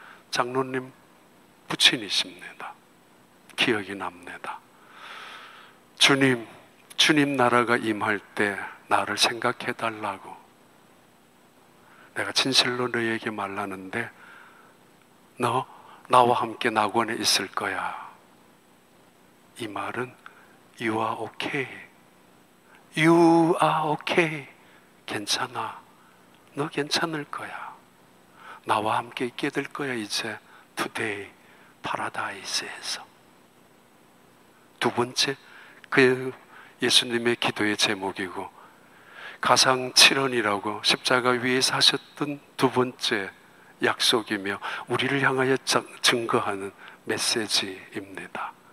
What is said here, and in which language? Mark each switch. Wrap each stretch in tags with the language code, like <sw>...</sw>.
<ko>장로님 부친이십니다. 기억이 납니다. 주님 나라가 임할 때 나를 생각해 달라고. 내가 진실로 너에게 말하는데 너 나와 함께 낙원에 있을 거야. 이 말은</ko> <en>You are okay. You are okay.</en> <ko>괜찮아. 너 괜찮을 거야. 나와 함께 있게 될 거야. 이제 today 파라다이스에서. 두 번째, 그 예수님의 기도의 제목이고 가상 칠언이라고 십자가 위에서 하셨던 두 번째 약속이며 우리를 향하여 증거하는 메시지입니다.</ko>